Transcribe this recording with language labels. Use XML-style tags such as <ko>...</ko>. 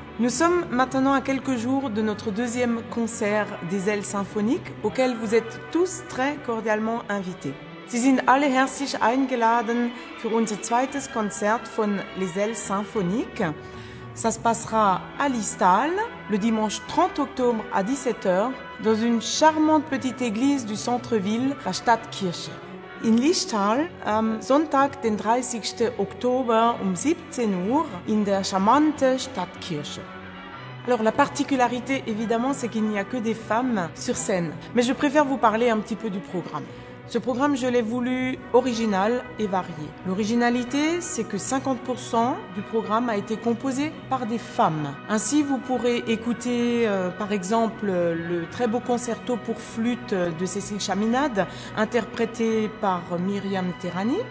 <fr>Nous sommes maintenant à quelques jours de notre deuxième concert des Ailes Symphoniques, auquel vous êtes tous très cordialement invités.</fr> <de>Sie sind alle herzlich eingeladen für unser zweites Konzert von Les Ailes Symphoniques.</de> <fr>Ça se passera à l'Istal, le dimanche 30 octobre à 17h, dans une charmante petite église du centre-ville, la Stadtkirche.</fr> <de>In Lichtal, am Sonntag, den 30. Oktober um 17 Uhr, in der charmante Stadtkirche.</de> <fr>Alors, la particularité, évidemment, c'est qu'il n'y a que des femmes sur scène. Mais je préfère vous parler un petit peu du programme. Ce programme, je l'ai voulu original et varié. L'originalité, c'est que 50% du programme a été composé par des femmes. Ainsi, vous pourrez écouter, par exemple, le très beau concerto pour flûte de Cécile Chaminade, interprété par Myriam Terrani.</fr>